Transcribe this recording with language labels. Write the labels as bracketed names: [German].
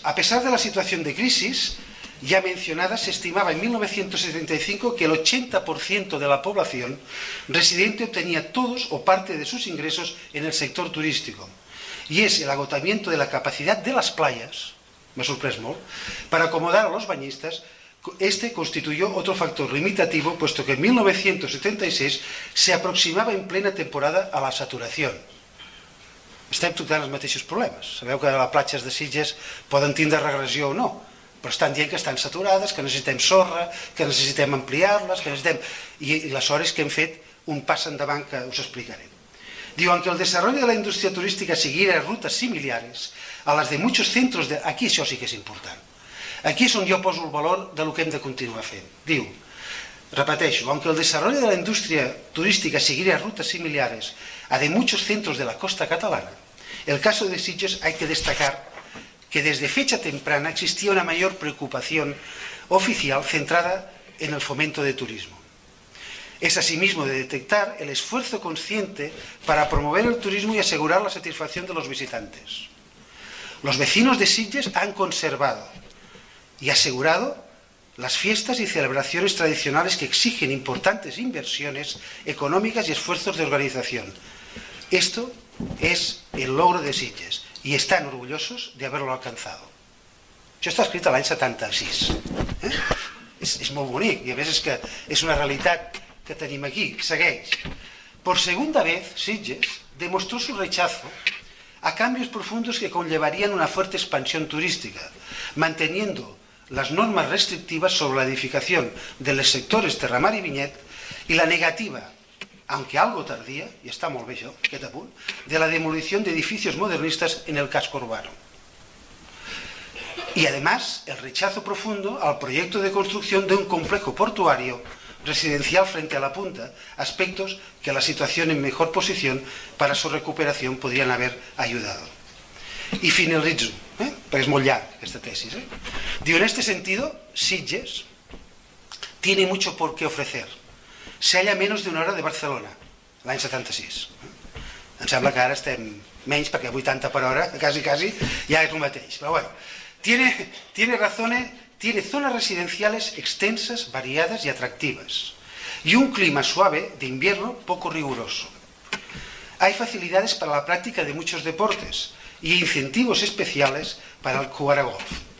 [Spanish] A pesar de la [Catalan] situació de crisi ja [Spanish] mencionada, se estimaba en 1975 que el 80% de la población residente obtenía todos o parte de sus ingresos en el sector turístico. Y es el agotamiento de la capacidad de las playas, [Catalan] me sorprés molt, [Spanish] para acomodar a los bañistas, este constituyó otro factor limitativo, puesto que en 1976 se aproximaba en plena temporada a la saturación. [Catalan] Estem tocant els mateixos problemes. Sabeu que les platges de Sitges poden tindre regressió o no, però estan dient que estan saturades, que necessitem sorra, que necessitem ampliar-les, que necessitem... I la sort és que hem fet un pas endavant que us explicaré. [Spanish] Diu, aunque el desarrollo de la industria turística siguiera rutas similares a las de muchos centros de... [Catalan] Aquí això sí que és important. Aquí és on jo poso el valor del que hem de continuar fent. Diu, repeteixo, [Spanish] aunque el desarrollo de la industria turística siguiera rutas similares a de muchos centros de la costa catalana, el caso de Sitges hay que destacar que desde fecha temprana existía una mayor preocupación oficial centrada en el fomento de turismo. Es asimismo de detectar el esfuerzo consciente para promover el turismo y asegurar la satisfacción de los visitantes. Los vecinos de Sitges han conservado y asegurado las fiestas y celebraciones tradicionales que exigen importantes inversiones económicas y esfuerzos de organización. Esto es el logro de Sitges y están orgullosos de haberlo alcanzado. [Catalan] Això està escrit a l'any 76. És molt bonic i a més és que és una realitat que tenim aquí. Segueix. [Spanish] Por segunda vez, Sitges demostró su rechazo a cambios profundos que conllevarían una fuerte expansión turística, manteniendo las normas restrictivas sobre la edificación de los sectores Terramar y Vinyet y la negativa, aunque algo tardía, y está muy bien [Catalan] aquest apunt, [Spanish] de la demolición de edificios modernistas en el casco urbano. Y además, el rechazo profundo al proyecto de construcción de un complejo portuario residencial frente a la punta, aspectos que la situación en mejor posición para su recuperación podrían haber ayudado. Y finalizo, [Catalan] perquè és molt llarg esta tesis. [Spanish] Diu, en este sentido, Sitges tiene mucho por qué ofrecer. Se halla menos [Catalan] d'una hora de Barcelona, l'any 76. Em sembla que ara estem menys, perquè 80 per hora, quasi, ja és el mateix. [Spanish] Però bueno, tiene razones, tiene zonas residenciales extensas, variadas y atractivas. Y un clima suave de invierno poco riguroso. Hay facilidades para la práctica de muchos deportes y incentivos especiales para el jugar a golf.